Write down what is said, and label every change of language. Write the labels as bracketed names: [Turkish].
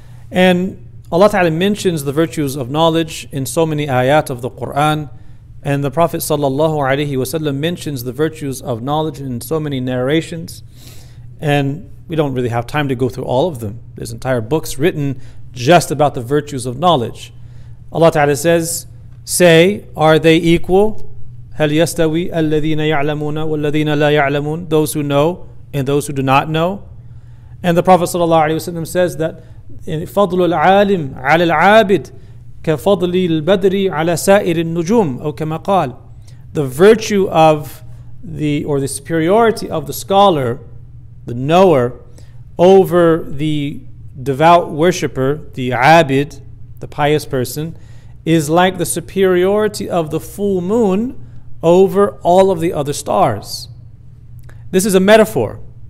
[English] And Allah Ta'ala mentions the virtues of knowledge in so many ayat of the Qur'an, and the Prophet sallallahu alayhi wasallam mentions the virtues of knowledge in so many narrations, and we don't really have time to go through all of them. There's entire books written just about the virtues of knowledge. Allah Ta'ala says, say, are they equal? [Arabic] هَلْ يَسْتَوِي أَلَّذِينَ يَعْلَمُونَ وَالَّذِينَ لَا يَعْلَمُونَ. [English] Those who know and those who do not know. And the Prophet ﷺ says that [Arabic] فَضْلُ الْعَالِمِ عَلَى الْعَابِدِ كَفَضْلِ الْبَدْرِ عَلَى سَائِرِ النُّجُومِ أو كما قال. [English] The virtue of the superiority of the scholar, the knower, over the devout worshipper, the abid, the pious person, is like the superiority of the full moon over all of the other stars. This is a metaphor.